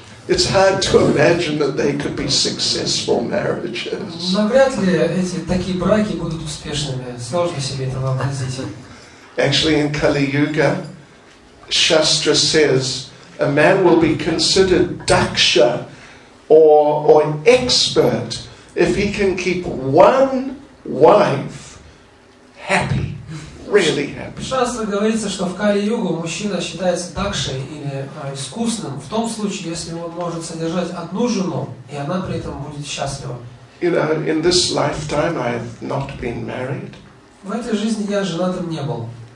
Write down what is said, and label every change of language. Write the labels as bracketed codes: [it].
[en] It's hard to imagine that they could be successful marriages. [ru] Навряд ли эти такие браки будут успешными. Сложно себе это вообразить. [en] Actually, in Kali Yuga, Shastra says a man will be considered daksha or an expert if he can keep one wife happy, really happy. [ru] Шастра говорится, что в Кали-Югу мужчина считается дакшей или искусным в том случае, если он может содержать одну жену, и она при этом будет счастлива. [en] You know, in this lifetime I have not been married. [ru] В этой жизни я женатым не был.